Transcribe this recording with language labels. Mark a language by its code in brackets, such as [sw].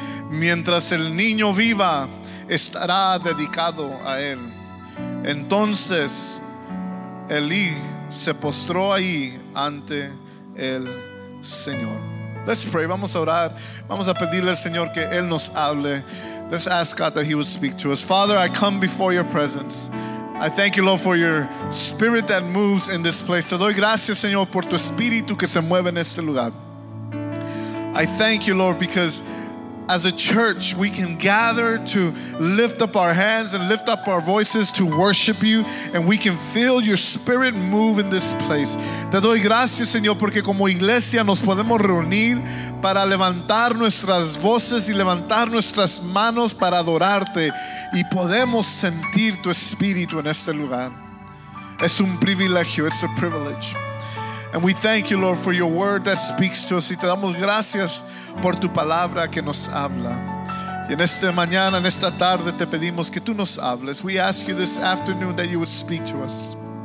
[es] Mientras el niño viva, estará dedicado a él. Entonces Elí se postró ahí ante el Señor. [en] Let's pray. [es] Vamos a orar. Vamos a pedirle al Señor que él nos hable. [en] Let's ask God that he would speak to us. Father, I come before your presence. I thank you, Lord, for your spirit that moves in this place. [es] Te doy gracias, Señor, por tu espíritu que se mueve en este lugar. [en] I thank you, Lord, because as a church, we can gather to lift up our hands and lift up our voices to worship you, and we can feel your spirit move in this place. [es] Te doy gracias, Señor, porque como iglesia nos podemos reunir para levantar nuestras voces y levantar nuestras manos para adorarte, y podemos sentir tu espíritu en este lugar. Es un privilegio, [en] it's a privilege. And we thank you, Lord, for your word that speaks to us. [es] Y te damos gracias por tu palabra que nos habla. Y en esta mañana, en esta tarde, te pedimos que tú nos hables. [en] We ask you this afternoon that you would speak to us.